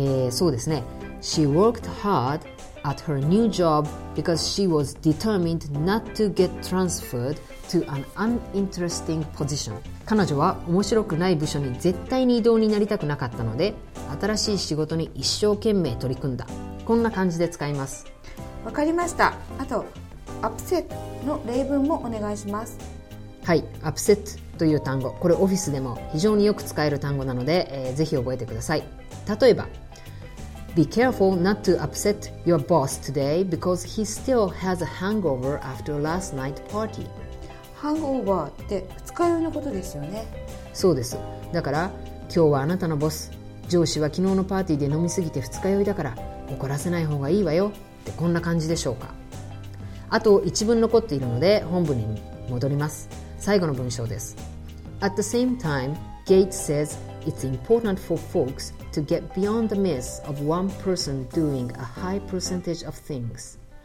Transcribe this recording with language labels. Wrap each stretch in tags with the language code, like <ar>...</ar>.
<ja>そうですね、</ja> <en>She worked hard at her new job because she was determined not to get transferred to an uninteresting position。</en> <ja>彼女は面白くない部署に絶対に異動になりたくなかったので、新しい仕事に一生懸命取り組んだ、こんな感じで使います。わかりました。あと upset の例文もお願いします。はい、 upset という単語、これオフィスでも非常によく使える単語なので、ぜひ覚えてください。例えば</ja> <en>Be careful not to upset your boss today because he still has a hangover after last night party。</en> <ja>Hangover って二日酔いのことですよね。そうです。だから今日はあなたのボス、上司は昨日のパーティーで飲みすぎて二日酔いだから怒らせない方がいいわよって、こんな感じでしょうか。あと一文残っているので本文に戻ります。最後の文章です。</ja> <en>At the same time, Gates says it's important for folks to get beyond the myth of one person doing a high percentage of things.</en>